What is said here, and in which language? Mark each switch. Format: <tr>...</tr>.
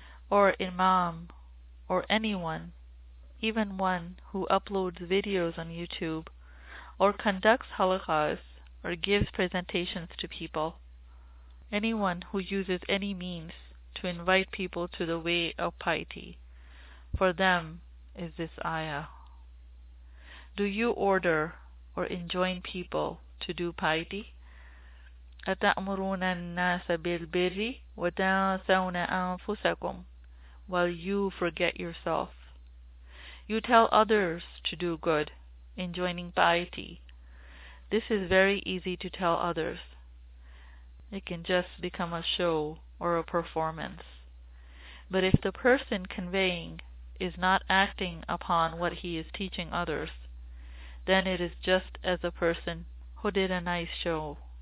<en>or imam, or anyone, even one who uploads videos on YouTube, or conducts halakas, or gives presentations to people, anyone who uses any means to invite people to the way of piety, for them is this ayah. Do you order or enjoin people to do piety?</en> <ar>أَتَأْمُرُونَ النَّاسَ بِالْبِرِّ وَتَنْسَوْنَ أَنفُسَكُمْ</ar> <en>while you forget yourself. You tell others to do good, enjoining piety. This is very easy to tell others. It can just become a show or a performance. But if the person conveying is not acting upon what he is teaching others, then it is just as a person who did a nice show.</en>